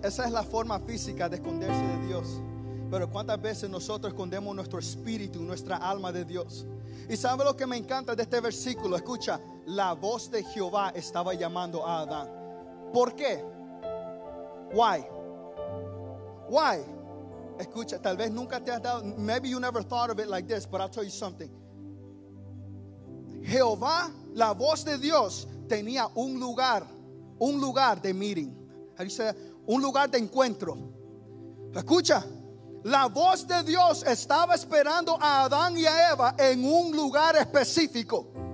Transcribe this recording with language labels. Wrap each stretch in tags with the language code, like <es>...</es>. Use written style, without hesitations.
<es>Esa es la forma física de esconderse de Dios. Pero ¿cuántas veces nosotros escondemos nuestro espíritu, nuestra alma de Dios? Y ¿sabe lo que me encanta de este versículo? Escucha, la voz de Jehová estaba llamando a Adán. ¿Por qué?</es> <en>Why? Why?</en> <es>Escucha, tal vez nunca te has dado,</es> <en>maybe you never thought of it like this, but I'll tell you something.</en> <es>Jehová, la voz de Dios, tenía un lugar de meeting.</es> <en>How do you say that?</en> <es>Un lugar de encuentro. Escucha, la voz de Dios estaba esperando a Adán y a Eva en un lugar específico.</es>